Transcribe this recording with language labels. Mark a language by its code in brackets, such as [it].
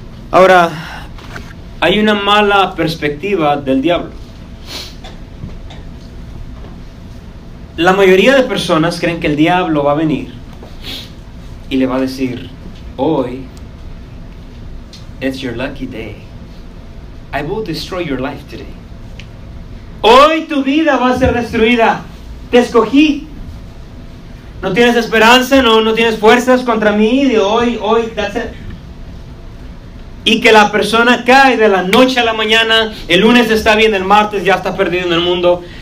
[es] Ahora, hay una mala perspectiva del diablo. La mayoría de personas creen que el diablo va a venir y le va a decir, hoy [en] it's your lucky day. I will destroy your life today. [es] Hoy tu vida va a ser destruida. Te escogí. No tienes esperanza, no tienes fuerzas contra mí. De hoy, [en] that's it. [es] Y que la persona cae de la noche a la mañana. El lunes está bien, el martes ya está perdido en el mundo.